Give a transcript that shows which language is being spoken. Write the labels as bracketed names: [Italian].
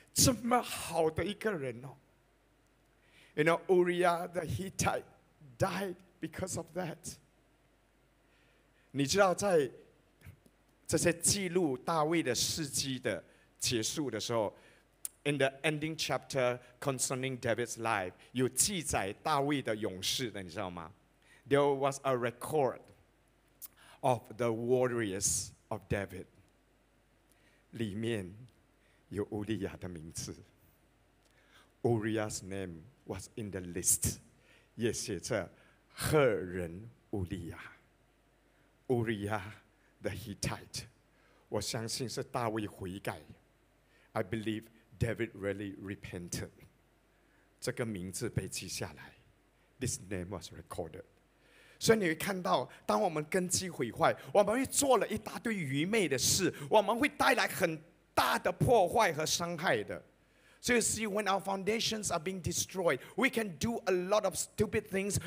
[Chinese] 城里的人出来和约押打仗，大卫的仆人中有几个被杀的，赫人乌利亚也死了。这么好的一个人哦。 [English] You know, Uriah the Hittite died because of that. [Chinese] 你知道在这些记录大卫的事迹的 结束的时候, [English] in the ending chapter concerning David's life, [Chinese] 有记载大卫的勇士的，你知道吗？ [English] There was a record of the warriors of David. [Chinese] 里面有乌利亚的名字。 [English] Uriah's name was in the list. [Chinese] 也写着赫人乌利亚 [English] Uriah the Hittite. [Chinese] 我相信是大卫悔改。 [English] I believe David really repented. [Chinese] 这个名字被记下来。 [English] This name was recorded. [Chinese] 所以你会看到，当我们根基毁坏，我们会做了一大堆愚昧的事，我们会带来很大的破坏和伤害的。 [English] So you see, when our foundations are being destroyed, we can do a lot of stupid things.